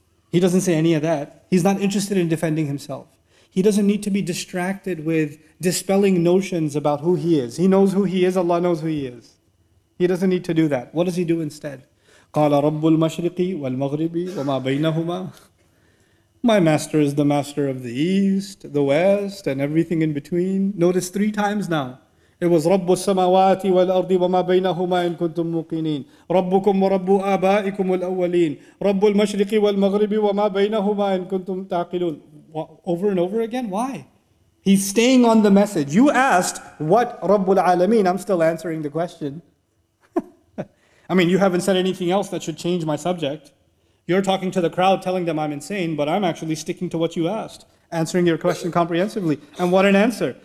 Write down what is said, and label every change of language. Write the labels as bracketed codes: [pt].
[en] He doesn't say any of that. He's not interested in defending himself. He doesn't need to be distracted with dispelling notions about who he is. He knows who he is, Allah knows who he is. He doesn't need to do that. What does he do instead? [ar] قَالَ رَبُّ الْمَشْرِقِ وَالْمَغْرِبِ وَمَا بَيْنَهُمَا [en] My master is the master of the east, the west, and everything in between. Notice 3 times now. [ar] It was رَبُّ السَّمَوَاتِ وَالْأَرْضِ وَمَا بَيْنَهُمَا إِن كُنْتُم مُقِنِينَ رَبُّكُمْ وَرَبُّ آبَائِكُمُ الْأَوَّلِينَ رَبُّ الْمَشْرِقِ وَالْمَغْرِبِ وَمَا بَيْنَهُمَا إِن كُنْتُم تَعْقِلُونَ [en] Over and over again? Why? He's staying on the message. You asked, what [ar] رَبُّ الْعَالَمِينَ? [en] I'm still answering the question. I mean, you haven't said anything else that should change my subject. You're talking to the crowd telling them I'm insane, but I'm actually sticking to what you asked, answering your question comprehensively. And what an answer.